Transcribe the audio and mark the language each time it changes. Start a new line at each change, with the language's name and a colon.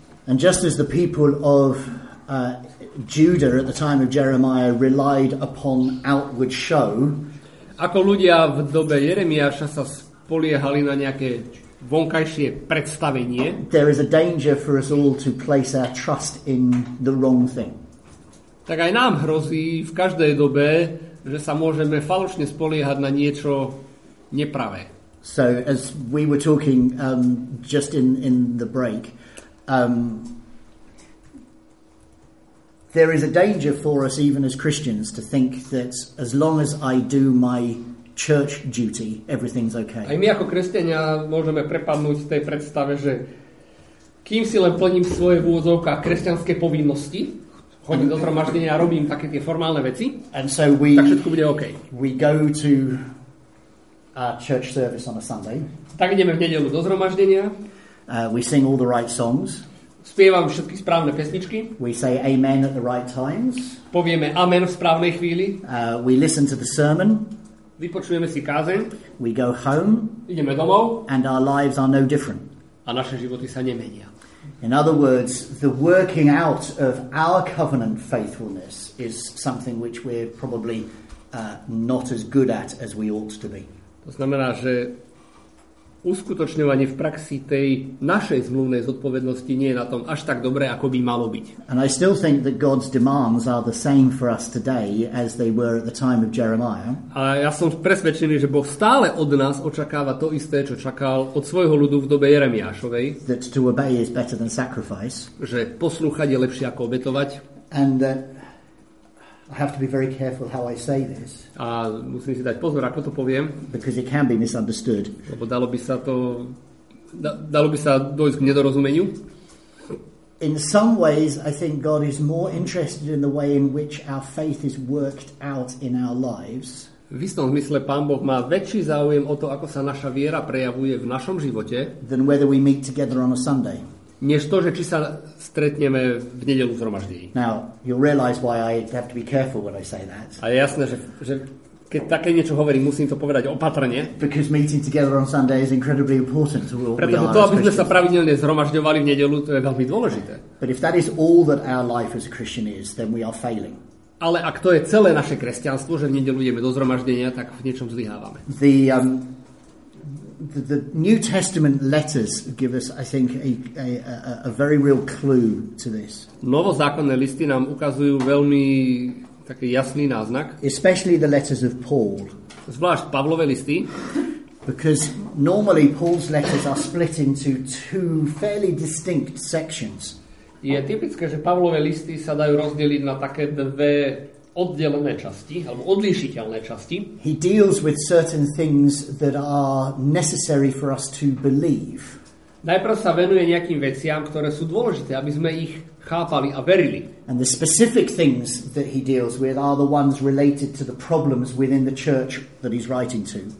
English: And just as the people of Judah at the time of Jeremiah relied upon outward show,
Slovak: ako ľudia v dobe Jeremiáša sa spoliehali na nejaké vonkajšie predstavenie,
English: there is a danger for us all to place our trust in the wrong thing.
Slovak: Tak aj nám hrozí v každej dobe, že sa môžeme falošne spoliehať na niečo nepravé.
English: So as we were talking just in the break, there is a danger for us even as Christians to think that as long as I do my church duty, everything's okay.
Slovak: Aj my ako kresťania môžeme prepadnúť v tej predstave, že kým si len plním svoje v úvodzovkách kresťanské povinnosti, chodím do zhromaždenia a robím také tie formálne veci,
English: and so
Slovak: tak všetko bude okay.
English: We go to our church service on a Sunday.
Slovak: Tak ideme v nedeľu do zhromaždenia.
English: We sing all the right songs.
Slovak: Spievam všetky správne pesničky.
English: We say amen at the right times.
Slovak: Povieme amen v správnej chvíli.
English: We listen to the sermon.
Slovak: Vypočujeme si kázeň.
English: We go home.
Slovak: Ideme domov.
English: And our lives are no different.
Slovak: A naše životy sa nemenia.
English: In other words, the working out of our covenant faithfulness is something which we're probably not as good at as we ought to be.
Slovak: To znamená, že uskutočňovanie v praxi tej našej zmluvnej zodpovednosti nie je na tom až tak dobre, ako by malo byť.
English: And I still think that God's demands are the same for us today as they were at the time of Jeremiah.
Slovak: A ja som presvedčený, že Boh stále od nás očakáva to isté, čo čakal od svojho ľudu v dobe Jeremiášovej.
English: That to obey is better than sacrifice.
Slovak: Že poslúchať je lepšie ako obetovať.
English: And I have to be very careful how I say this.
Slovak: A musím si dať pozor, ako to poviem.
English: Because it can be misunderstood.
Slovak: Lebo dalo by sa dojsť k nedorozumeniu.
English: In some ways, I think God is more interested in the way in which our faith is worked out in our lives.
Slovak: V istom zmysle Pán Boh má väčší záujem o to, ako sa naša viera prejavuje v našom živote.
English: Than whether we meet together on a Sunday.
Slovak: Než to, že či sa stretneme v nedeľu v zhromaždení.
English: Now, you realize why I have to be careful when I say that.
Slovak: A je jasné, že keď také niečo hovorím, musím to povedať opatrne.
English: Because meeting together on Sunday is incredibly important to all.
Slovak: Pretože to, aby sme sa pravidelne zhromažďovali v nedeľu, to je veľmi dôležité.
English: But if that is all that our life as a Christian is, then we are failing.
Slovak: Ale ak to je celé naše kresťanstvo, že v nedeľu ideme do zhromaždenia, tak v niečom zlyhávame.
English: The New Testament letters give us, I think, a very real clue to this.
Slovak: Novozákonné listy nám ukazujú veľmi taký jasný náznak.
English: Especially the letters of Paul.
Slovak: Zvlášť Pavlové listy.
English: Because normally Paul's letters are split into two fairly distinct sections.
Slovak: Je typické, že Pavlové listy sa dajú rozdeliť na také dve oddelené časti alebo odlišiteľné časti.
English: He deals with certain things that are necessary for us to believe.
Slovak: Najprv sa venuje nejakým veciam, ktoré sú dôležité, aby sme ich chápali a verili.
English: And the specific things that he deals with are the ones related to the problems within the church that he's writing to.